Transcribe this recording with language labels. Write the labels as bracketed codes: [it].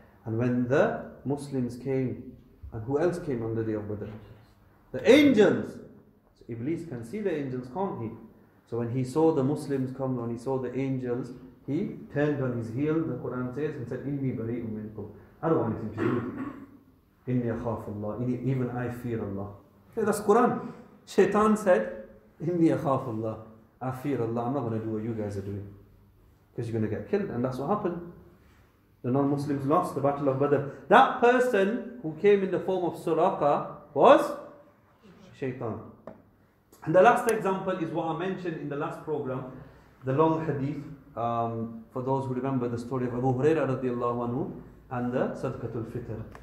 [en] And when the Muslims came, and who else came on the day of Badr? The angels. So Iblis can see the angels, can't he? So when he saw the Muslims come, when he saw the angels, he turned on his heel, the Quran says, and said, [ar] إِنِّي بَرِيءٌ مِّنْكُمْ. [en] I don't want anything to do with you. [ar] إِنِّي أَخَافُ اللَّهِ. [en] Even I fear Allah. Hey, that's Quran. Shaitan said, [ar] إِنِّي أَخَافُ اللَّهِ. [en] I fear Allah. I'm not going to do what you guys are doing. Because you're going to get killed. And that's what happened. The non-Muslims lost the Battle of Badr. That person who came in the form of Suraqa was Shaitan. And the last example is what I mentioned in the last program, the long hadith, for those who remember the story of Abu Huraira radiallahu anhu and the Sadqatul Fitr.